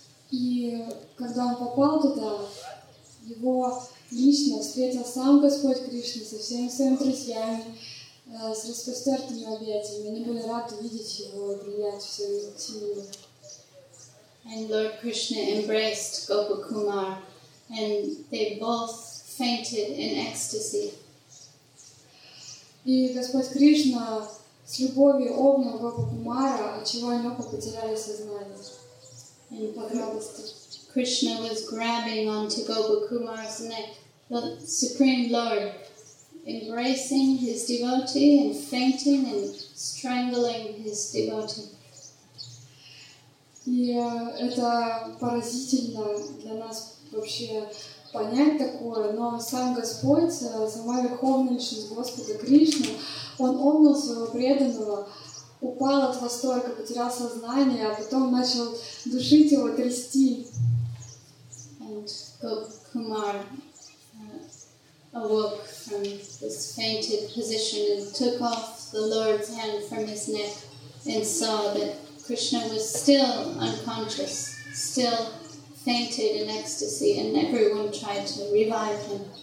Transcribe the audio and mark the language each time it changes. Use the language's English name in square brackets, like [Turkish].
[Russian] И когда он попал туда, его лично встретил сам Господь Кришна со всеми своими друзьями, с распростертыми объятиями. Они были рады видеть его, принять всю семью. [English] And Lord Krishna embraced Gopakumar. And they both fainted in ecstasy. [Russian] И Господь Кришна с любовью обнял Гопакумара, отчего они оба потеряли сознание. [English] And Krishna was grabbing onto Gopakumar's neck, the Supreme Lord, embracing his devotee and fainting and strangling his devotee. [Russian] И это поразительно для нас вообще понять такое, но сам Господь, сама Верховная Господа Кришна, Он обнял своего преданного, упал от восторга, потерял сознание, а потом начал душить его, трясти. [English] And Gopakumar awoke from this fainted position and took off the Lord's hand from his neck and saw that Krishna was still unconscious, still fainted in ecstasy, and everyone tried to revive him.